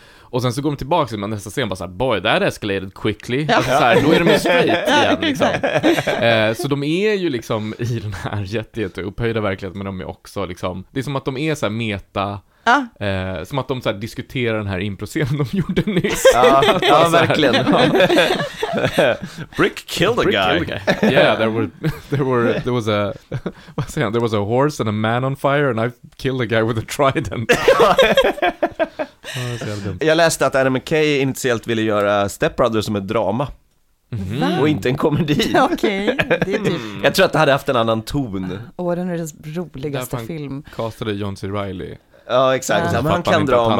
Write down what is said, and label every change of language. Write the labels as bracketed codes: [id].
[sv] Och sen så går de tillbaka till nästa scen bara så här, [en] boy, that escalated quickly. [sv] Ja. Så här, då är de ju straight igen liksom. Så de är ju liksom i den här jätte upphöjda verkligheten, men de är också liksom, det är som att de är så här meta. Som att de så här diskuterar den här impro-scenen de gjorde nyss. Ja, verkligen. [en] Brick killed a guy. Yeah, there was a horse and a man on fire and I killed a guy with a trident. [sv] Jag läste att Adam McKay initialt ville göra Step Brothers som ett drama. Mm-hmm. Och inte en komedi. Okej. Jag tror att det hade haft en annan ton. Den är den roligaste film. Castade John C. Reilly. Ja, exakt. Ja. Han kan dra om